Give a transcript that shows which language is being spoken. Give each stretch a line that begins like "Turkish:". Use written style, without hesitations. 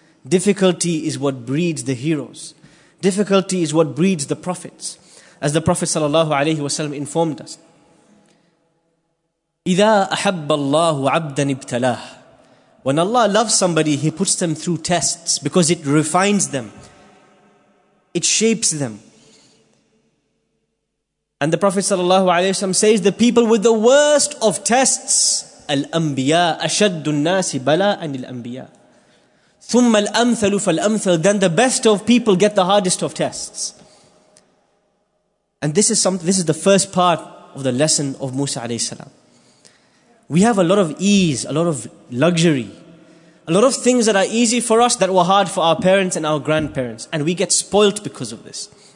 English: Difficulty is what breeds the heroes. Difficulty is what breeds the prophets. As the Prophet sallallahu alaihi wasallam informed us,
Arabic: إِذَا أَحَبَّ اللَّهُ عَبْدًا ابْتَلَاهُ.
English: When Allah loves somebody, He puts them through tests because it refines them. It shapes them. And the Prophet sallallahu alaihi wasallam says, the people with the worst of tests,
Arabic: الأنبياء أشد الناس بلاء الأنبياء ثم الأمثل فالأمثل.
English: Then the best of people get the hardest of tests. And this is the first part of the lesson of Musa alayhi salam. We have a lot of ease, a lot of luxury, a lot of things that are easy for us that were hard for our parents and our grandparents, and we get spoilt because of this.